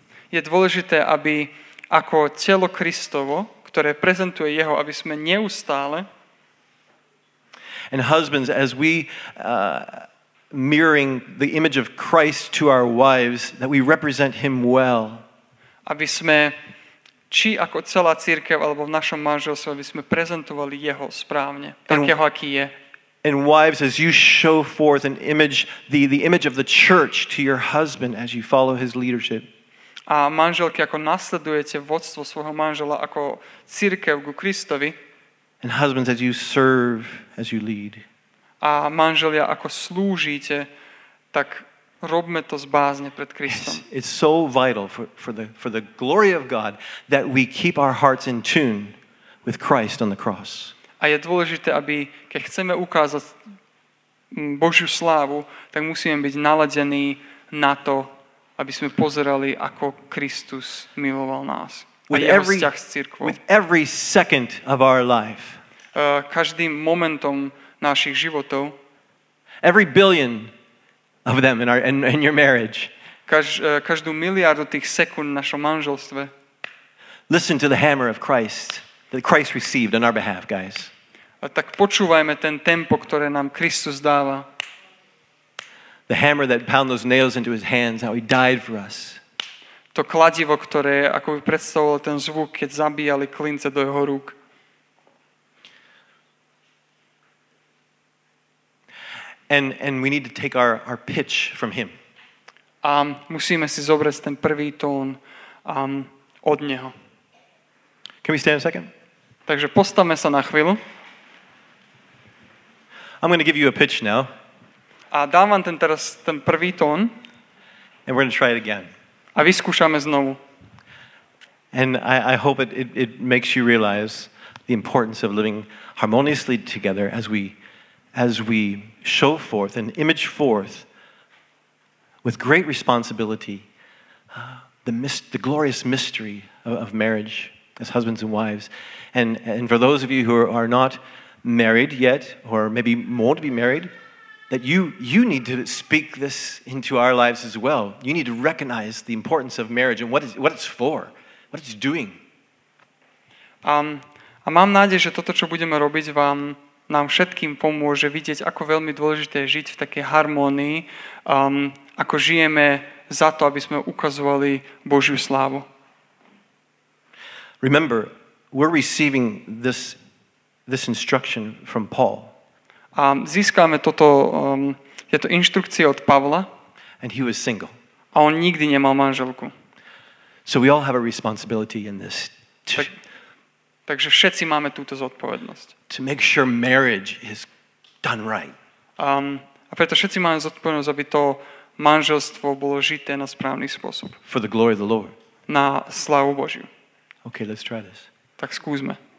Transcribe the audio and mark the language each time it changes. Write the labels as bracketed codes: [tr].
[sk] Je dôležité, aby ako telo Kristovo, ktoré prezentuje jeho, aby sme neustále. [en] And husbands, as we mirroring the image of Christ to our wives, that we represent him well. [sk] Aby sme či ako celá cirkev alebo v našom manželstve, aby sme prezentovali jeho správne, takého, aký je. [en] And wives, as you show forth an image, the image of the church to your husband as you follow his leadership. [sk] A manželky, ako nasledujete vodstvo svojho manžela ako cirkev ku Kristovi. [en] And husbands, as you serve, as you lead. [sk] A manželia, ako slúžite, tak robme to z bázne pred Kristom. [en] It's so vital for the glory of God that we keep our hearts in tune with Christ on the cross. [sk] A je dôležité, aby keď chceme ukázať Božiu slávu, tak musíme byť naladení na to, aby sme pozerali, ako Kristus miloval nás. A jeho vzťah s cirkvou. [en] With every second of our life. [sk] Každým momentom našich životov. [en] Every billion of them in your marriage. [sk] Každú miliardu tých sekúnd v našom manželstve. [en] Listen to the hammer of Christ that Christ received on our behalf, guys. [sk] Tak počúvajme ten tempo, ktoré nám Kristus dáva. [en] The hammer that pounded those nails into his hands, how he died for us. [sk] To kladivo, ktoré ako by predstavovalo ten zvuk, keď zabíjali klince do jeho rúk. [en] And we need to take our pitch from him. [sk] A musíme si zobrať ten prvý tón od neho. [en] Can we stand a second? [sk] Takže postavme sa na chvíľu. [en] I'm going to give you a pitch now. [sk] A dám vám ten teraz ten prvý tón. [en] And we're going to try it again. [sk] A vyskúšame znovu. [en] And I hope it makes you realize the importance of living harmoniously together as we show forth and image forth with great responsibility the glorious mystery of marriage as husbands and wives. And for those of you who are not married yet, or maybe won't be married, that you need to speak this into our lives as well. You need to recognize the importance of marriage and what it's for, what it's doing. [sk] A mám nádej, že toto, čo budeme robiť, vám nám všetkým pomôže vidieť, ako veľmi dôležité je žiť v takej harmonii, ako žijeme za to, aby sme ukazovali Božiu slávu. [en] Remember, we're receiving this instruction from Paul. [sk] A získame toto, je to inštrukcie od Pavla. [en] And he was single. [sk] A on nikdy nemal manželku. [en] So we all have a responsibility in this. [sk] Takže všetci máme túto zodpovednosť. [en] To make sure marriage is done right. [sk] A preto všetci máme zodpovednosť, aby to manželstvo bolo žité na správny spôsob. [en] For the glory of the Lord. [sk] Na slávu Božiu. [en] Okay, let's try this. [sk] Tak skúsme.